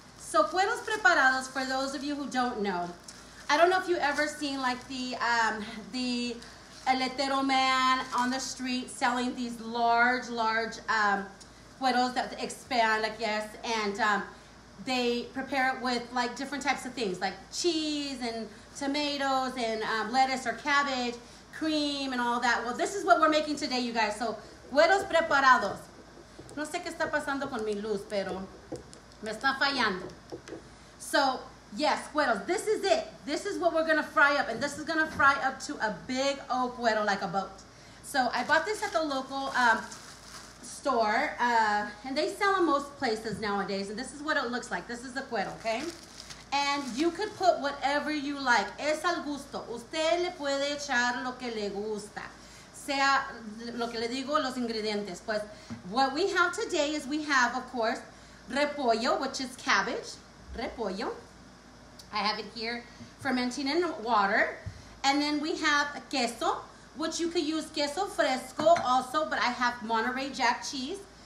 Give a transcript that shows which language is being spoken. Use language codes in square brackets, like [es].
[en] So Cueros Preparados, for those of you who don't know, I don't know if you ever seen like the eletero man on the street selling these large cueros that expand, I guess, and they prepare it with like different types of things, like cheese and tomatoes and lettuce or cabbage, cream and all that. Well, this is what we're making today, you guys. So, cueros preparados. [es] No sé qué está pasando con mi luz, pero me está fallando. [en] So, yes, cueros. This is it. This is what we're going to fry up. And this is going to fry up to a big old cuero, like a boat. So I bought this at the local store. And they sell in most places nowadays. And this is what it looks like. This is the cuero, okay? And you could put whatever you like. [es] Es al gusto. Usted le puede echar lo que le gusta. Sea lo que le digo, los ingredientes. [en] Pues what we have today is we have, of course, repollo, which is cabbage. Repollo. I have it here fermenting in water. And then we have queso, which you could use queso fresco also, but I have Monterey Jack cheese.